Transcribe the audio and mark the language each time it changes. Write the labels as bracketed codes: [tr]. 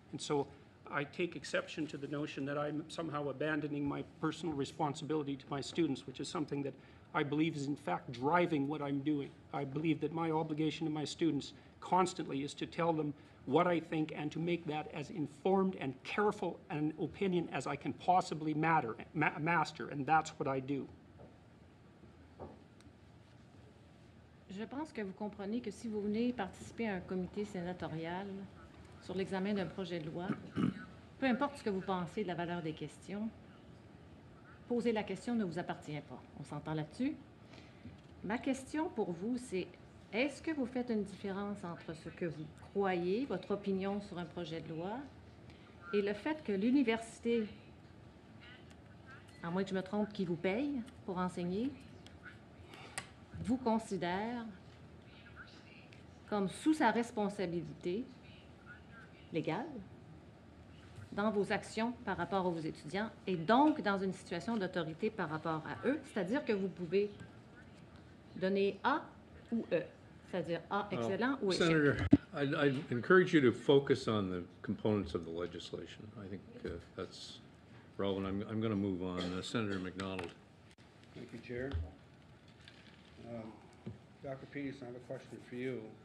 [en] And so I take exception to the notion that I'm somehow abandoning my personal responsibility to my students, which is something that I believe is in fact driving what I'm doing. I believe that my obligation to my students constantly is to tell them what I think and to make that as informed and careful an opinion as I can possibly master, and that's what I do. [fr] Je pense que vous comprenez que si vous venez participer à un comité sénatorial sur l'examen d'un projet de loi, peu importe ce que vous pensez de la valeur des questions, poser la question ne vous appartient pas. On s'entend là-dessus? Ma question pour vous, c'est est-ce que vous faites une différence entre ce que vous croyez, votre opinion sur un projet de loi, et le fait que l'université, à moins que je me trompe, qui vous paye pour enseigner, vous considère comme sous sa responsabilité légale dans vos actions par rapport aux étudiants et donc dans une situation d'autorité par rapport à eux, c'est-à-dire que vous pouvez donner A ou E, c'est-à-dire A excellent ou échec. [en] Senator, I'd encourage you to focus on the components of the legislation. I think that's relevant. I'm going to move on. Senator McDonald. Thank you, Chair. Dr. Peterson, I have a question for you.